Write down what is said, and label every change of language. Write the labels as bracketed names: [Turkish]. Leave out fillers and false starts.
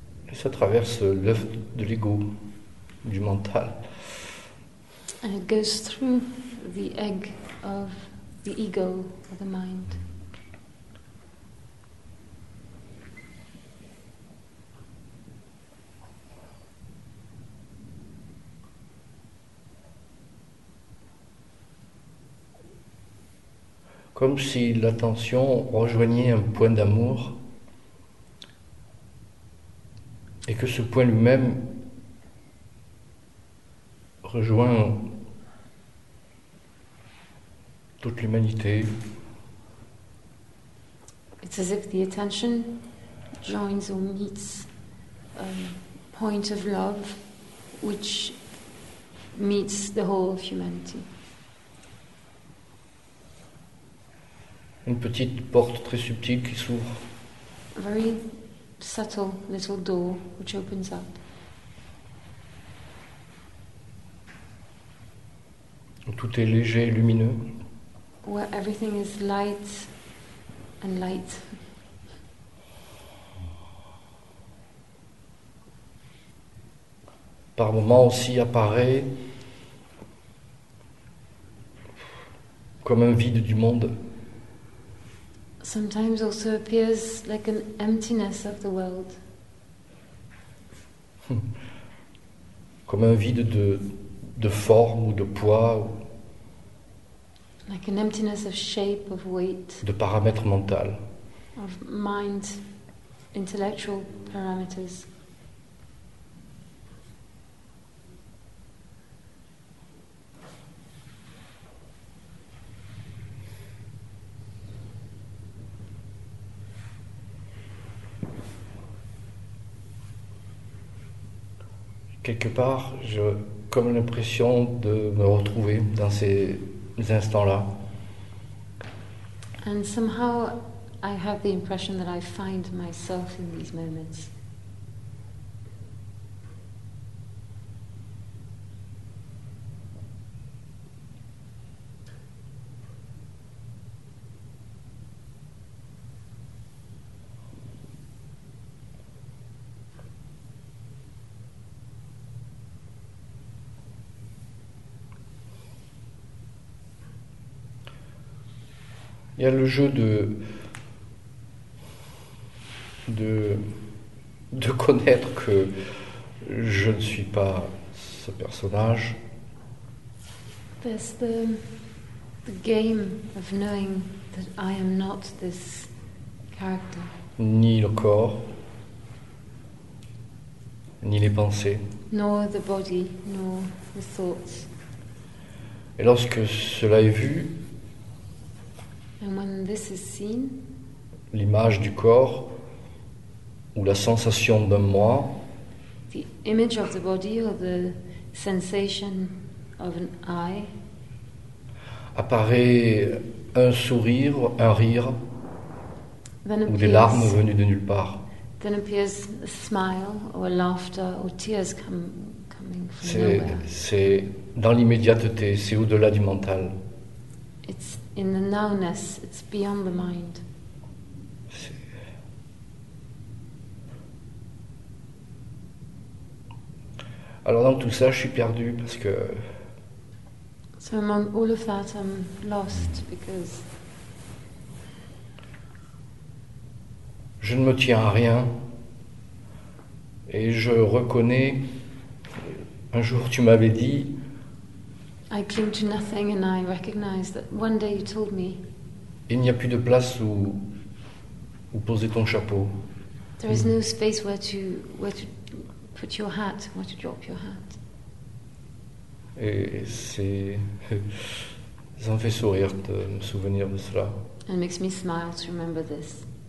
[French] Et ça traverse l'œuf de l'ego, du mental. [English] And it goes through the egg of the ego, of the mind. [French] Comme si l'attention rejoignait un point d'amour et que ce point lui-même rejoint toute l'humanité. [English] It's as if the attention joins or meets a point of love which meets the whole of humanity. [French] Une petite porte très subtile qui s'ouvre. [English] A very subtle little door which opens up. [French] Tout est léger et lumineux. [English] Where everything is light and light. [French] Par moments aussi apparaît comme un vide du monde. [English] Sometimes also appears like an emptiness of the world. [French] Comme un vide de forme ou de poids. [English] Like an emptiness of shape, of weight. [French] De paramètres mentaux. [English] Of mind, intellectual parameters. [French] Quelque part, j'ai comme l'impression de me retrouver dans ces instants-là. [English] And somehow, I have the impression that I find myself in these moments. [French] Il y a le jeu de connaître que je ne suis pas ce personnage. [English] There's the game of knowing that I am not this character. [French] Ni le corps, ni les pensées. [English] Nor the body, nor the thoughts. [French] Et lorsque cela est vu. [English] And when this is seen, [French] l'image du corps ou la sensation d'un moi, [English] the image of the body or the sensation of an I, [French] apparaît un sourire, un rire, [English] then appears, [French] ou des larmes venues de nulle part. [English] Then appears a smile or a laughter or tears coming from nowhere. [French] C'est dans l'immédiateté, c'est au-delà du mental. [English] It's in the nowness, it's beyond the mind. [French] Alors dans tout ça, je suis perdu parce que. [English] So among all of that, I'm lost because. [French] Je ne me tiens à rien. Et je reconnais. Un jour, tu m'avais dit. [English] I cling to nothing and I recognize that one day you told me. [French] Il n'y a plus de place où poser ton chapeau. [English] There is no space where to put your hat, where to drop your hat. [French] Et c'est. Ça me fait sourire de me souvenir de cela. [English] And it makes me smile to remember this.